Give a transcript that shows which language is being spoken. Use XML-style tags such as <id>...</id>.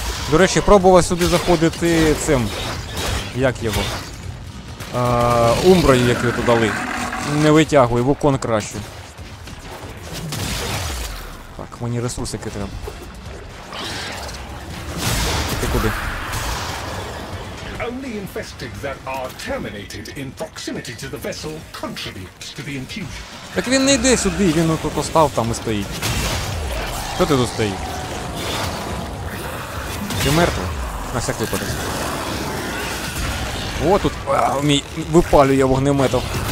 <uk>До речі, пробував сюди заходити цим, як його, умброю, як його дали. Не витягуй, вукон краще. Так, мені ресурсики треба. Ти куди?</uk> <en>Only infested that are terminated in proximity to the vessel contribute to the infusion.</en> <uk>Так він не йде сюди, він тут постав там і стоїть. Хто ти тут стоїть? Ти мертвий? На всяк випадок. О, тут випалює вогнеметом.</uk>